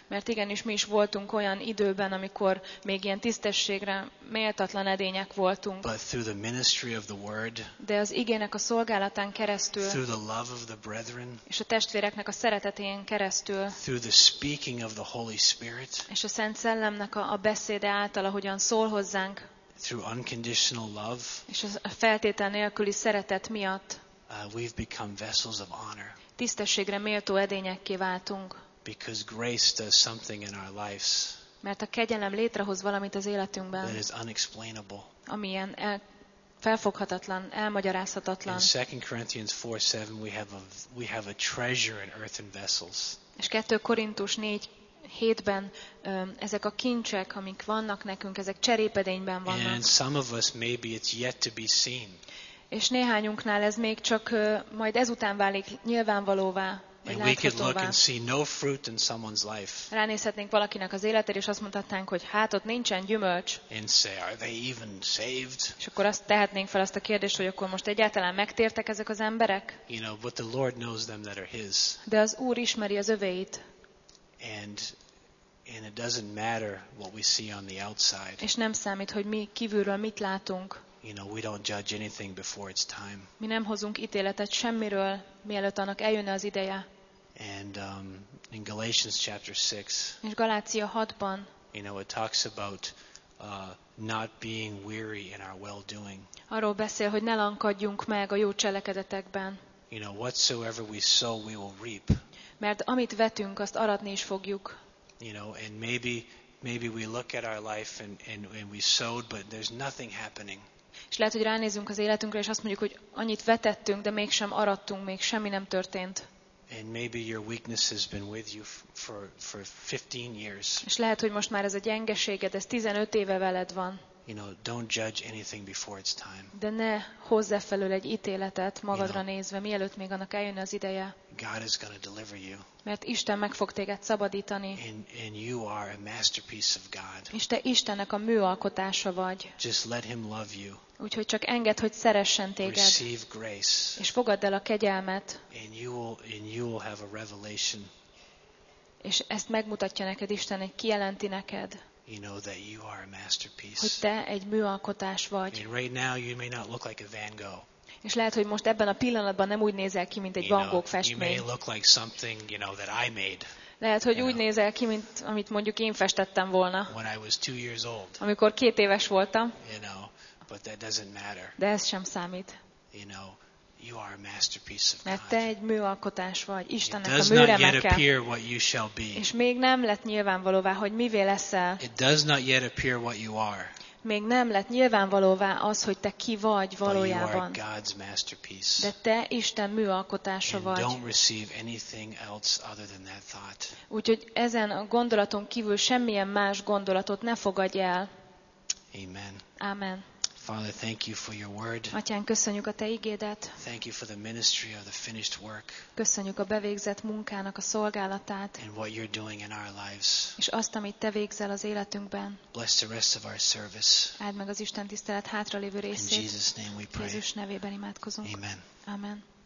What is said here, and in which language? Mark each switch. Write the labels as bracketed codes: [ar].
[hu] Mert igenis mi is voltunk olyan időben, amikor még ilyen tisztességre méltatlan edények voltunk. [en] But through the ministry of the word. [hu] De az igének a szolgálatán keresztül. [en] Through the love of the brethren. [hu] És a testvéreknek a szeretetén keresztül. [en] Through the speaking of the Holy Spirit. [hu] És a Szent Szellemnek a beszéde által, ahogyan szól hozzánk. [en] Through unconditional love. [hu] És a feltétel nélküli szeretet miatt. [en] we've become vessels of honor. [hu] Tisztességre méltó edényekké váltunk. [en] Because grace does something in our lives. [hu] Mert a kegyelem létrehoz valamit az életünkben. [en] That is unexplainable. [hu] Amilyen felfoghatatlan, elmagyarázhatatlan. [en] In 2 Corinthians 4:7 we have a treasure in earthen vessels. [hu] És 2 Korintus 4:7-ben ezek a kincsek, amik vannak nekünk, ezek cserépedényben vannak. [en] And some of us maybe it's yet to be seen. [hu] És néhányunknál ez még csak majd ezután válik nyilvánvalóvá. [en] And we could look and see no fruit in someone's life. [hu] Ránézhetnénk valakinek az életére, és azt mondhatnánk, hogy hát ott nincsen gyümölcs. [en] And say, are they even saved? [hu] És akkor azt tehetnénk fel azt a kérdést, hogy akkor most egyáltalán megtértek ezek az emberek? [en] You know, but the Lord knows them that are His. [hu] De az Úr ismeri az övéit. [en] And it doesn't matter what we see on the outside. [hu] És nem számít, hogy mi kívülről mit látunk. [en] You know, we don't judge anything before it's time. [hu] Mi nem hozunk ítéletet semmiről, mielőtt annak eljönne az ideje. [en] And in Galatians chapter 6. [hu] És Galácia 6-ban. [en] You know, it talks about not being weary in our well doing. [hu] Arról beszél, hogy ne lankadjunk meg a jó cselekedetekben. [en] You know, whatsoever we sow, we will reap. [hu] Mert amit vetünk, azt aratni is fogjuk. [en] You know, and maybe we look at our life and we sowed, but there's nothing happening. [hu] És lehet, hogy ránézünk az életünkre, és azt mondjuk, hogy annyit vetettünk, de mégsem arattunk, még semmi nem történt. [en] And maybe your weakness has been with you for 15 years. [hu] És lehet, hogy most már ez a gyengeséged, ez 15 éve veled van. [en] You know, don't judge anything before it's time. [hu] De ne hozz e felől egy ítéletet magadra nézve, mielőtt még annak eljön az ideje. [en] God is going to deliver you. [hu] Mert Isten meg fog téged szabadítani. [en] And you are a masterpiece of God. [hu] És te Istennek a műalkotása vagy. [en] Just let him love you. [hu] Úgyhogy csak engedd, hogy szeressen téged. [en] Receive grace. [hu] És fogadd el a kegyelmet. [en] And you will have a revelation. [hu] És ezt megmutatja neked Isten, egy kijelenti neked. [en] You know that you are a masterpiece. [hu] Hogy te egy műalkotás vagy. [en] And right now you may not look like a Van Gogh. [hu] És lehet, hogy most ebben a pillanatban nem úgy nézel ki, mint egy Van Gogh festmény. [en] You may look like something, you know, that I made. [hu] Lehet, hogy úgy nézel ki, mint amit mondjuk én festettem volna. [en] When I was 2 years old. [hu] Amikor 2 éves voltam. [en] You know, but that doesn't matter. [hu] De ez sem számít. [en] You know, you are a masterpiece of God. [hu] Mert te egy műalkotás vagy, Istennek a műremeke. [en] It does not yet appear what you shall be. [hu] És még nem lett nyilvánvalóvá, hogy mivé leszel. [en] It does not yet appear what you are. [hu] Még nem lett nyilvánvalóvá az, hogy te ki vagy valójában. De te Isten műalkotása vagy. [en] Don't receive anything else other than that thought. [hu] Úgyhogy ezen a gondolaton kívül semmilyen más gondolatot ne fogadj el. [en] Amen. Amen. Father, thank you for your word. [hu] Atyán, köszönjük a te igédet. [en] Thank you for the ministry of the finished work. [hu] Köszönjük a bevégzett munkának a szolgálatát. [en] And what you're doing in our lives. [hu] És azt, amit te végzel az életünkben. [en] Bless the rest of our service. [hu] Áld meg az Isten tisztelet hátralévő részét. [en] In Jesus' name we pray. [hu] Jézus nevében imádkozunk. [en] Amen. Amen.